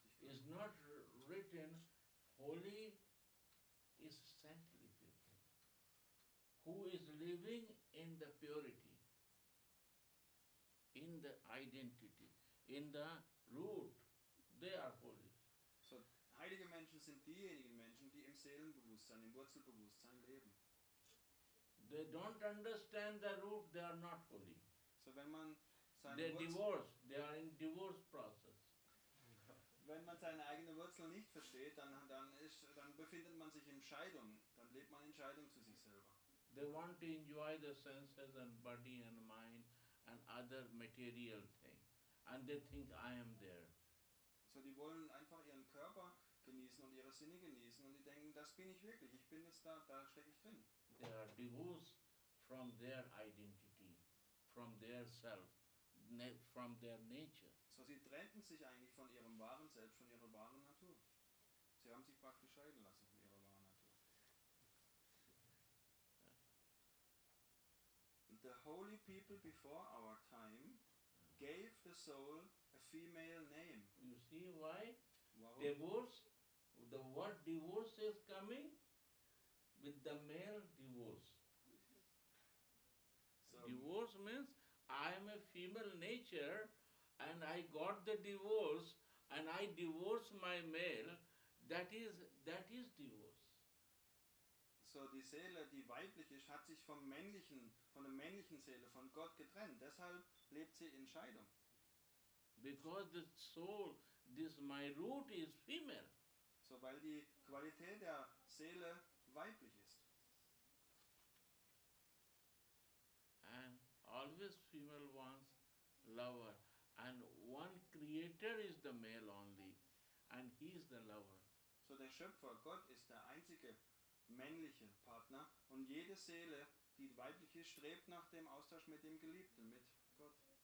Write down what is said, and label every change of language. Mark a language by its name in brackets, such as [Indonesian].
[English] Is not written holy is saintly people who is living in the purity, in the identity, in the root. They are holy. [German] So heilige Menschen sind diejenigen Menschen, die im Seelenbewusstsein, im Wurzelbewusstsein leben. [English] They don't understand the root, they are not holy. [German] So wenn man seine [English] they are in divorce process. [German] Wenn man seine eigene Wurzel nicht versteht, dann befindet man sich in Scheidung, dann lebt man in Scheidung zu sich selber. [English] They want to enjoy the senses and body and mind and other material things. And they think I am there. [German] So die wollen einfach ihren Körper genießen und ihre Sinne genießen und die denken, das bin ich wirklich, ich bin jetzt da, da stecke ich drin. [English] They are divorced from their identity, from their self, from their nature. [German] So sie trennten sich eigentlich von ihrem wahren Selbst, von ihrer wahren Natur. Sie haben sich praktisch scheiden lassen von ihrer wahren Natur. [English] The holy people before our time gave the soul a female name. You see why? Wow. Divorce, the word divorce is coming with the male divorce. So divorce means I am a female nature. And I got the divorce, and I divorce my male, that is divorce. [German] So die Seele, die weiblich ist, hat sich vom männlichen, von der männlichen Seele, von Gott getrennt. Deshalb lebt sie in Scheidung. [English] Because the soul, this my root is female. [German] So weil die Qualität der Seele weiblich ist. [English] And always female wants lover. And one creator is the male only, and he is the lover. [German] So der Schöpfer, Gott, ist der einzige männliche Partner, und jede Seele, die weiblich ist, strebt nach dem Austausch mit dem Geliebten, mit Gott.